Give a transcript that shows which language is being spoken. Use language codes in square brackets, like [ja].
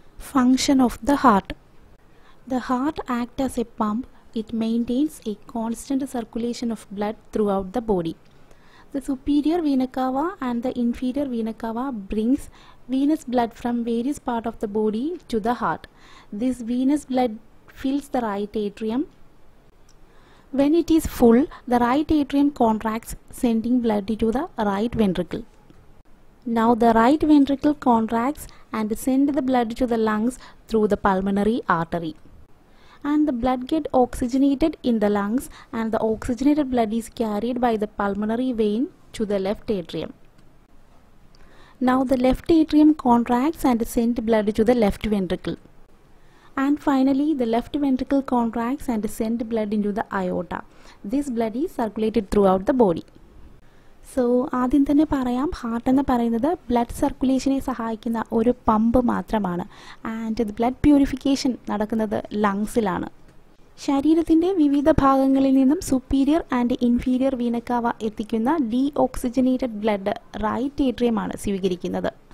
[en] Function of the heart. The heart act as a pump. It maintains a constant circulation of blood throughout the body. The superior vena cava and the inferior vena cava brings venous blood from various part of the body to the heart. This venous blood fills the right atrium. When it is full, the right atrium contracts, sending blood to the right ventricle. Now the right ventricle contracts and sends the blood to the lungs through the pulmonary artery. And the blood gets oxygenated in the lungs and the oxygenated blood is carried by the pulmonary vein to the left atrium. Now the left atrium contracts and sends blood to the left ventricle. And finally, the left ventricle contracts and send blood into the aorta. This blood is circulated throughout the body. [ml] So, ആദ്യം തന്നെ പറയാം, heart എന്ന് പറയുന്നത് blood സർക്കുലേഷനെ സഹായിക്കുന്ന ഒരു pump മാത്രമാണ്. [en] and the blood purification [ml] നടക്കുന്നത് ലങ്സിലാണ്. ശരീരത്തിൻ്റെ വിവിധ ഭാഗങ്ങളിൽ നിന്നും സുപ്പീരിയർ ആൻഡ് ഇൻഫീരിയർ വീനക്കാവ എത്തിക്കുന്ന ഡീ ഓക്സിജനേറ്റഡ് ബ്ലഡ് റൈറ്റ് ഏട്രിയമാണ് സ്വീകരിക്കുന്നത്.